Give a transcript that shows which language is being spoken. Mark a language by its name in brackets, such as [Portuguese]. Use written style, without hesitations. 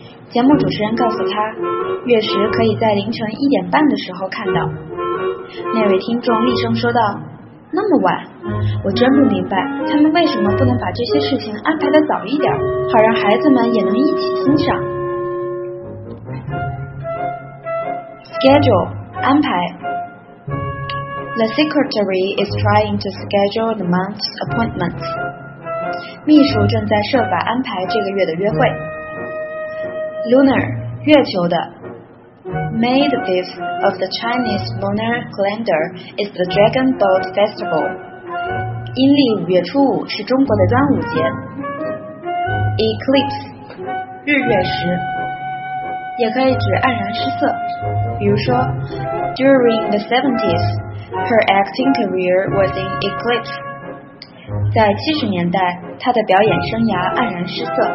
[Chinese] 节目主持人告诉他，月食可以在凌晨1:30的时候看到。那位听众厉声说道，那么晚，我真不明白他们为什么不能把这些事情安排得早一点，好让孩子们也能一起欣赏。 [English] Schedule 安排 The secretary is trying to schedule the month's appointments. [Chinese] 秘书正在设法安排这个月的约会。 [English] Lunar, 月球的 May the 5th of the Chinese lunar calendar is the Dragon Boat Festival. [Chinese] 阴历五月初五是中国的端午节。 Eclipse, 日月食也可以指黯然失色。比如说 [English] During the 70s, her acting career was in eclipse. [Chinese] 在70年代，她的表演生涯黯然失色。